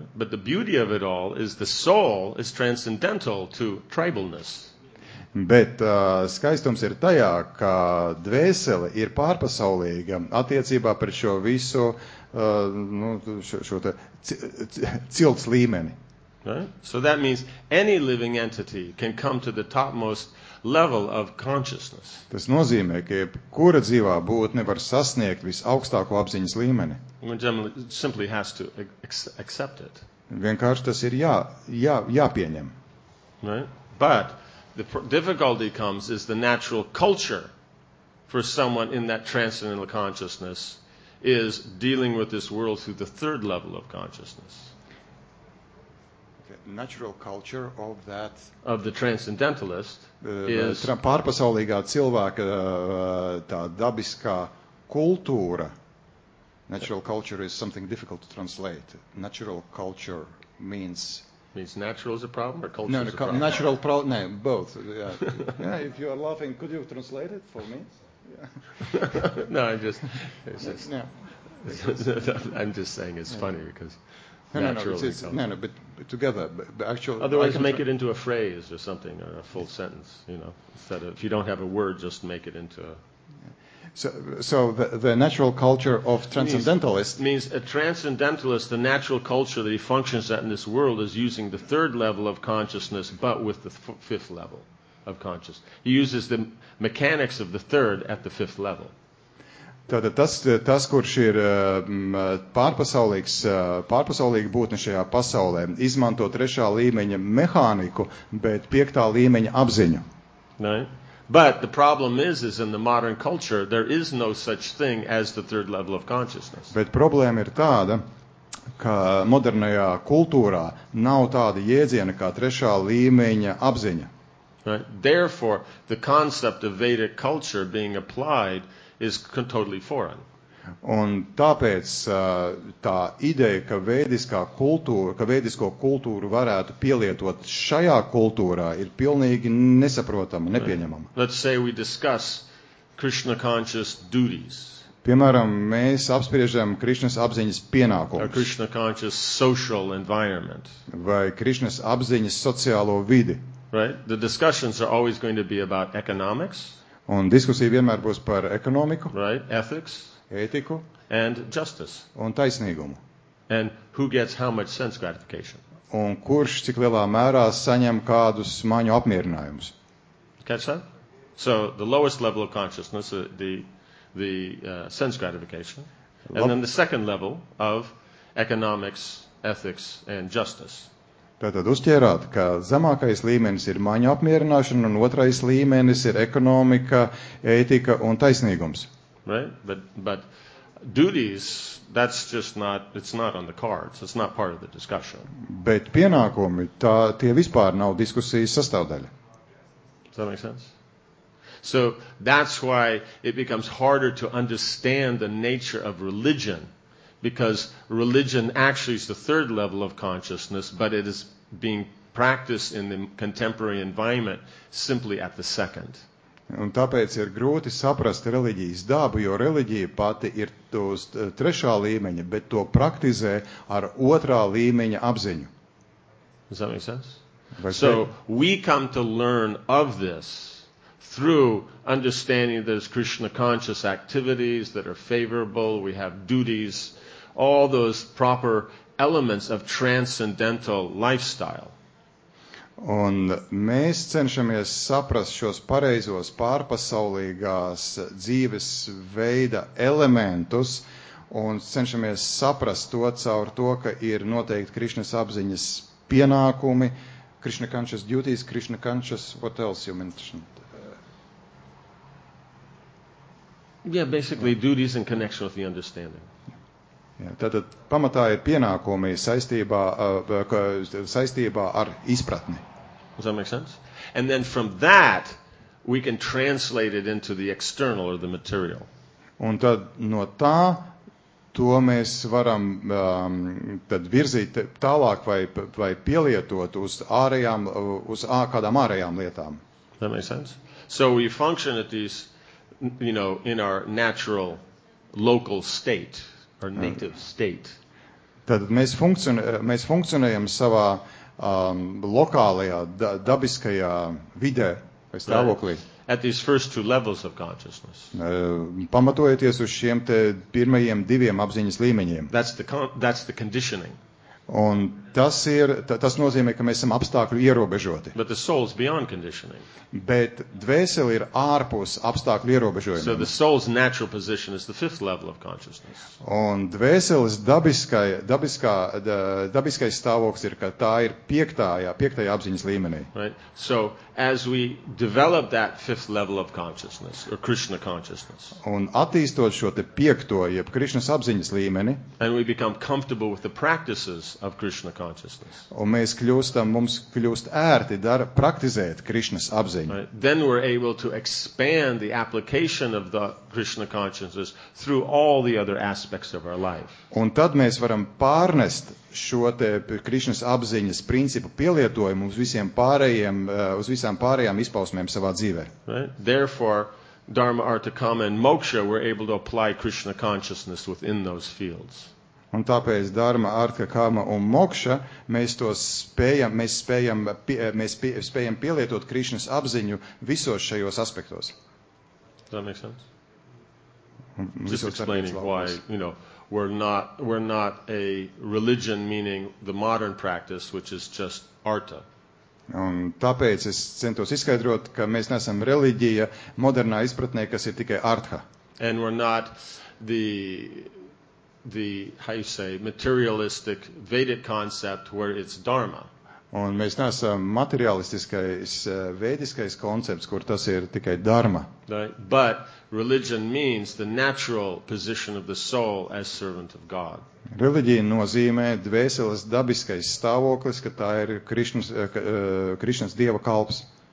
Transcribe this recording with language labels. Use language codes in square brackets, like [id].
[en] But the beauty of it all is the soul is transcendental to tribalness. [lv] Bet skaistums ir tajā, ka dvēsele ir pārpasaulīga attiecībā par šo visu cilts līmeni. [en] Right? So that means any living entity can come to the topmost level of consciousness. [lv] Tas nozīmē, ka kura dzīvā būtne var sasniegt visaugstāko apziņas līmeni. [en] One simply has to accept it. [lv] Vienkārši tas ir jāpieņem. [en] Right? But the difficulty comes is the natural culture for someone in that transcendental consciousness is dealing with this world through the third level of consciousness. Okay, natural culture of that of the transcendentalist is [lv] pārpasaulīgā cilvēka tā dabiskā kultūra. [en] Natural culture is something difficult to translate. Natural culture means natural is a problem or culture is a problem? No, natural problem, both. Yeah. Yeah, if you are laughing, could you translate it for me? No, I'm just saying it's funny because but together, but actually, otherwise make it into a phrase or something, or a full sentence, you know, instead of, if you don't have a word, just make it into a So the natural culture of transcendentalists means a transcendentalist, the natural culture that he functions at in this world is using the third level of consciousness, but with the fifth level of consciousness. He uses the mechanics of the third at the fifth level. [lv] Tātad tas, kurš ir pārpasaulīga būtne šajā pasaulē, izmanto trešā līmeņa mehāniku, bet piektā līmeņa apziņu. [en] Right. But the problem is in the modern culture, there is no such thing as the third level of consciousness. [lv] Bet problēma ir tāda, ka modernajā kultūrā nav tāda jēdziena kā trešā līmeņa apziņa. [en] Right. Therefore, the concept of Vedic culture being applied is totally foreign. [lv] Un tāpēc tā ideja, ka vēdiskā kultūra, ka vēdisko kultūru varētu pielietot šajā kultūrā, ir pilnīgi nesaprotama, nepieņemama. [en] Let's say we discuss Krishna conscious duties. [lv] Piemēram, mēs apspriežam Krišnas apziņas pienākumus. [en] A Krishna conscious social environment. [lv] Vai Krišnas apziņas sociālo vidi. [en] Right? The discussions are always going to be about economics. [lv] Un diskusija vienmēr būs par ekonomiku, [en] right, ethics, [lv] ētiku [en] and justice. [lv] Un taisnīgumu. [en] And who gets how much sense gratification? [lv] Un kurš cik lielā mērā saņem kādus smaņu apmierinājumus? [en] Catch that? So the lowest level of consciousness, the sense gratification, and then the second level of economics, ethics and justice. [lv] Tātad uzķērāt, ka zemākais līmenis ir maņu apmierināšana un otrais līmenis ir ekonomika, ētika un taisnīgums. [en] Right, but duties, that's just not, it's not on the cards, it's not part of the discussion. [lv] Bet pienākumi, tā, tie vispār nav diskusijas sastāvdaļa. [en] Does that make sense? So that's why it becomes harder to understand the nature of religion. Because religion actually is the third level of consciousness, but it is being practiced in the contemporary environment simply at the second. [lv] Un tāpēc ir grūti saprast reliģijas dabu, jo reliģija pati ir uz trešā līmeņa, bet to praktizē ar otrā līmeņa apziņu. [en] Does that make sense? So we come to learn of this through understanding there's Krishna conscious activities that are favorable, we have duties, all those proper elements of transcendental lifestyle. [lv] Un mēs cenšamies saprast šos pareizos pārpasaulīgās dzīves veida elementus un cenšamies saprast to caur to, ka ir noteikti Krišnas apziņas pienākumi, [en] Krishna conscious duties, Krishna conscious, what else you mentioned? Yeah, basically duties in connection with the understanding. [lv] Tātad pamatā ir pienākumi saistībā ar izpratni. [en] Does that make sense? And then from that, we can translate it into the external or the material. [lv] Un tad no tā, to mēs varam tad virzīt tālāk vai pielietot kādām ārējām lietām. [en] Does that make sense? So we function at these, you know, in our natural local state. Or native state. [lv] Tad mēs funkcionējam savā lokālajā dabiskajā vidē vai stāvoklī. [en] At these first two levels of consciousness. [lv] Pamatojoties uz šiem te pirmajiem diviem apziņas līmeņiem. [en] That's the conditioning. [lv] Un tas nozīmē, ka mēs esam apstākļu ierobežoti. [en] But the soul is beyond conditioning. [lv] Bet dvēseli ir ārpus apstākļu ierobežojuma. [en] So the soul's natural position is the fifth level of consciousness. [lv] Un dvēseles dabiskais stāvoklis ir, ka tā ir piektajā apziņas līmenī. [en] Right. So as we develop that fifth level of consciousness, or Krishna consciousness. [lv] Un attīstot šo te piekto, jeb Krišnas apziņas līmeni. [en] And we become comfortable with the practices of Krishna consciousness. [lv] Un mums kļūst ērti praktizēt Krišnas apziņu. [en] Right. Then we're able to expand the application of the Krishna consciousness through all the other aspects of our life. [lv] Un tad mēs varam pārnest šo te Krišnas apziņas principu pielietojumu uz visām pārējām izpausmēm savā dzīvē. [en] Right. Therefore, Dharma, Artha, Kama and Moksha, we're able to apply Krishna consciousness within those fields. [lv] Un tāpēc Dharma, Artha, Kama un Moksha, mēs spējam pielietot Krišnas apziņu visos šajos aspektos. [en] Does that make sense? Just explaining why, you know, we're not a religion, meaning the modern practice, which is just artha. [lv] Un tāpēc es centos izskaidrot, ka mēs neesam reliģija modernā izpratnē, kas ir tikai artha. [en] And we're not the how you say materialistic Vedic concept where it's dharma. [lv] Un mēs neesam materialistiskais vēdiskais koncepts, kur tas ir tikai dharma. [en] Right? But religion means the natural position of the soul as servant of God. [lv] Reliģija nozīmē dvēseles dabiskais stāvoklis, ka tā ir Krišnas, Krišnas dieva kalps.